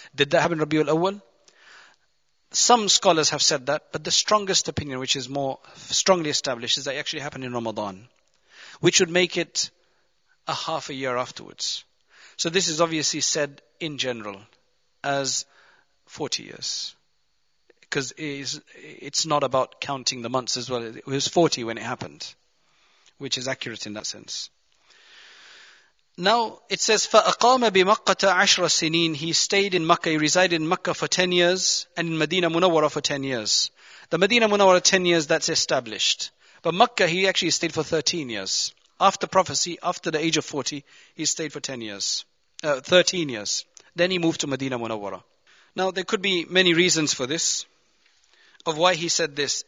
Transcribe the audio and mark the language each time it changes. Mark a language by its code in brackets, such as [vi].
[en] Did that happen in Rabi'ul Awwal? Some scholars have said that, but the strongest opinion, which is more strongly established, is that it actually happened in Ramadan, which would make it a half a year afterwards. So this is obviously said in general as 40 years. Because it's not about counting the months as well. It was 40 when it happened, which is accurate in that sense. Now it says, [ar] فَأَقَامَ بِمَقَّةَ عَشْرَ سِنِينَ. [en] He stayed in Makkah, he resided in Makkah for 10 years and in Medina Munawwara for 10 years. The Medina Munawwara 10 years, that's established. But Makkah, he actually stayed for 13 years. After prophecy, after the age of 40, he stayed for 10 years. 13 years. Then he moved to Medina Munawwara. Now there could be many reasons for this, of why he said this.